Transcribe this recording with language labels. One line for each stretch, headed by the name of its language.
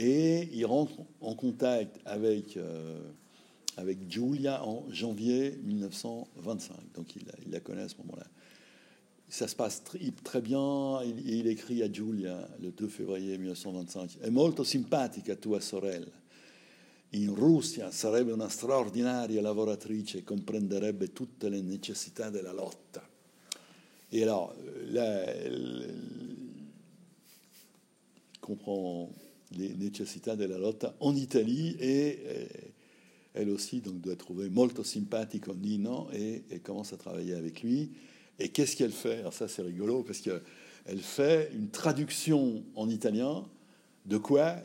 French: Et il rentre en contact avec Giulia en janvier 1925. Donc il la connaît à ce moment-là. Ça se passe très bien. Il écrit à Giulia le 2 février 1925. «
Italian: È molto simpatica tua sorella. In Russia sarebbe una straordinaria lavoratrice e comprenderebbe tutte le necessità della lotta. »
French: Et alors, il comprend... Les nécessités de la lotta en Italie et elle aussi donc doit trouver
Italian: molto simpatico
French: Nino et elle commence à travailler avec lui. Et qu'est-ce qu'elle fait? Alors ça c'est rigolo parce que elle fait une traduction en italien de quoi?